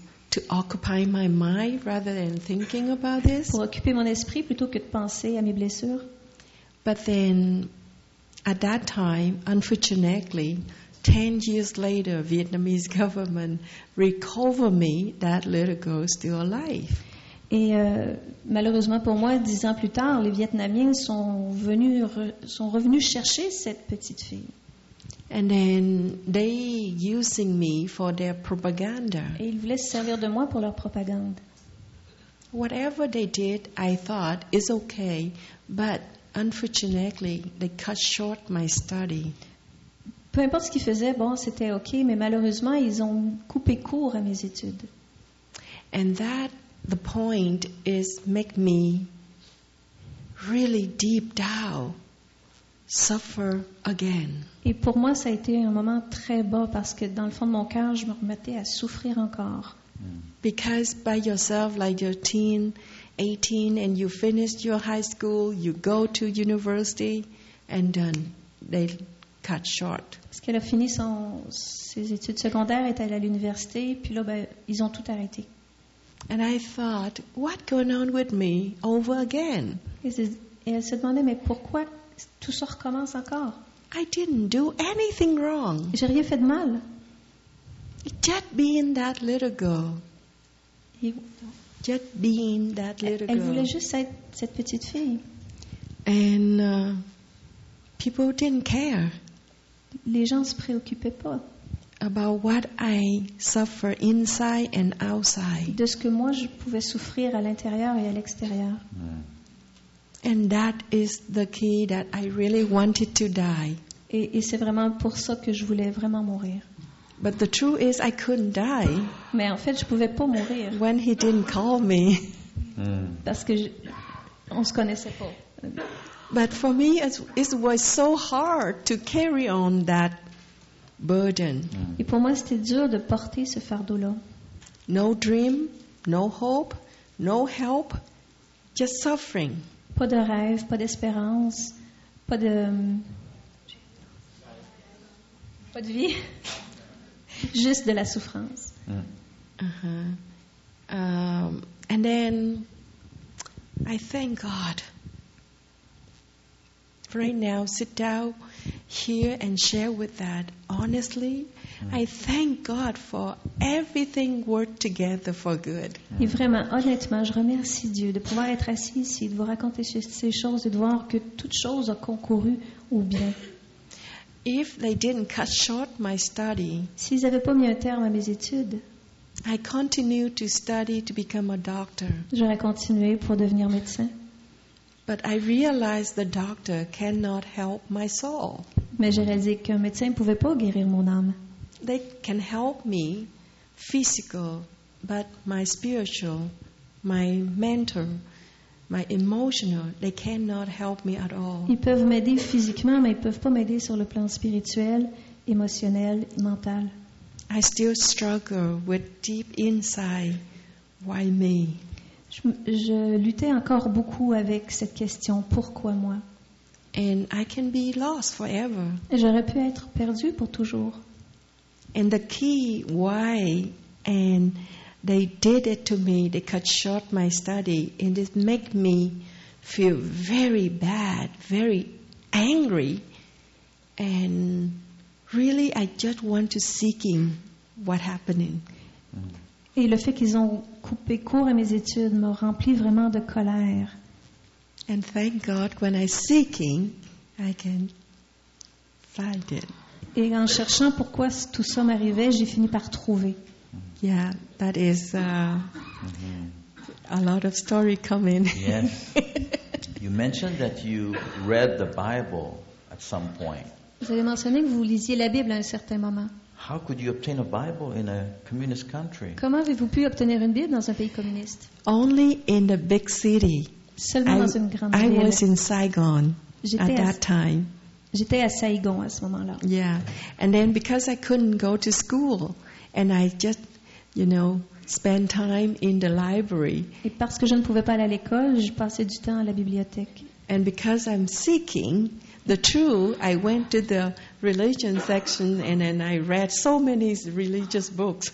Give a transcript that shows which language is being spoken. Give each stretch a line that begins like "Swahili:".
English: To occupy my mind rather than thinking about this.
French: Pour occuper mon esprit plutôt que de penser à mes blessures.
English: But then, at that time, unfortunately, 10 years later, Vietnamese government recovered me. That little girl still alive.
French: Et malheureusement pour moi, 10 ans plus tard, les Vietnamiens sont revenus chercher cette petite fille.
English: And then they using me for their propaganda.
French: Et ils voulaient se servir de moi pour leur propagande.
English: Whatever they did, I thought is okay, but unfortunately, they cut short my study.
French: Peu importe ce qu'ils faisaient, bon, c'était ok, mais malheureusement, ils ont coupé court à mes études.
English: And that. The point is make me really deep down suffer again.
French: Et pour moi, ça a été un moment très bas parce que dans le fond de mon cœur, je me remettais à souffrir encore.
English: Because by yourself, like you're 10, 18, and you finished your high school, you go to university, and then they cut short.
French: Parce qu'elle a fini ses études secondaires, est allée à l'université, puis là, ben, ils ont tout arrêté.
English: And I thought, what's going on with me over again?
French: Et elle se demandait, mais pourquoi tout ça recommence encore?
English: I didn't do anything wrong.
French: J'ai rien fait de mal.
English: Just being that little girl. just being that little girl.
French: Elle voulait juste être cette petite fille.
English: And people didn't care.
French: Les gens se préoccupaient pas.
English: About what I suffer inside and outside.
French: De ce que moi je pouvais souffrir à l'intérieur et à l'extérieur.
English: And that is the key that I really wanted to die.
French: Et c'est vraiment pour ça que je voulais vraiment mourir.
English: But the truth is, I couldn't die.
French: Mais en fait, je pouvais pas mourir.
English: When he didn't call me.
French: Parce que on se connaissait pas.
English: But for me, it was so hard to carry on that burden.
French: Et pour moi, c'était dur de porter ce fardeau-là.
English: No dream, no hope, no help, just suffering.
French: Pas de rêve, pas d'espérance, pas de vie, juste de la souffrance.
English: And then I thank God. Right now, sit down here and share with that. Honestly, I thank God for everything worked together for good.
French: Et vraiment, honnêtement, je remercie Dieu de pouvoir être assis ici, de vous raconter ces choses et de voir que toute chose a concouru au bien.
English: If they didn't cut short my study,
French: s'ils n'avaient pas mis un terme à mes études,
English: I continue to study to become a doctor.
French: J'aurais continué pour devenir médecin.
English: But I realized the doctor cannot help my soul.
French: Mais j'ai réalisé qu'un médecin ne pouvait pas guérir mon âme.
English: They can help me physical, but my spiritual, my mental, my emotional, they cannot help me at all.
French: Ils peuvent m'aider physiquement, mais ils ne peuvent pas m'aider sur le plan spirituel, émotionnel, mental.
English: I still struggle with deep inside, why me?
French: Je luttais encore beaucoup avec cette question, pourquoi moi?
English: And I can be lost forever.
French: J'aurais pu être perdue pour toujours.
English: And the key why and they did it to me, they cut short my study, and it make me feel very bad, very angry, and really I just want to seeking what happening.
French: Et le fait qu'ils ont coupé court à mes études m'a rempli vraiment de colère.
English: And thank God when I'm seeking, I can find it.
French: Et en cherchant pourquoi tout ça m'arrivait, j'ai fini par trouver.
English: Yeah, that is a lot of story coming. Yes. You mentioned that you read the Bible at some point.
French: Vous avez mentionné que vous lisiez la Bible à un certain moment.
English: How could you obtain a Bible in a communist country?
French: Comment avez-vous pu obtenir une Bible dans un pays communiste?
English: Only in the big city.
French: Seulement dans une grande ville.
English: I was in Saigon at that time.
French: J'étais à Saigon à ce moment-là.
English: Yeah. And then because I couldn't go to school and I just, you know, spend time in the library.
French: Et parce que je ne pouvais pas aller à l'école, je passais du temps à la bibliothèque.
English: And because I'm seeking the truth, I went to the religion section and then I read so many religious books.